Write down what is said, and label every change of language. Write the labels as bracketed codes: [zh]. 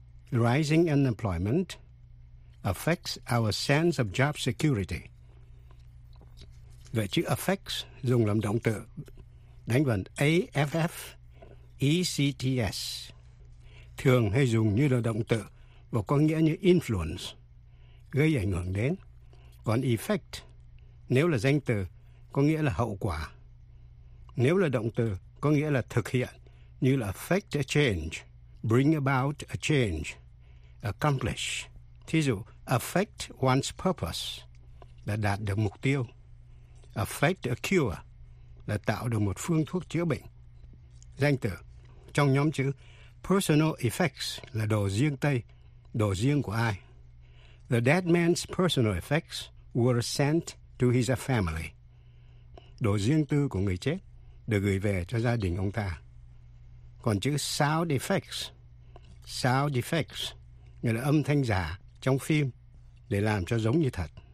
[en] Rising unemployment affects our sense of job security. [vi] Vậy chữ affects dùng làm động từ đánh vần A-F-F-E-C-T-S thường hay dùng như là động từ và có nghĩa như influence, gây ảnh hưởng đến. Còn effect, nếu là danh từ, có nghĩa là hậu quả. Nếu là động từ, có nghĩa là thực hiện, như là [en] effect a change, bring about a change, accomplish. [vi] Thí dụ, [en] affect one's purpose, [vi] là đạt được mục tiêu. [en] Affect a cure, [vi] là tạo được một phương thuốc chữa bệnh. Danh từ, trong nhóm chữ personal effects, là đồ riêng tây, đồ riêng của ai. [en] The dead man's personal effects were sent to his family. [vi] Đồ riêng tư của người chết được gửi về cho gia đình ông ta. Còn chữ sound effects nghĩa là âm thanh giả trong phim để làm cho giống như thật.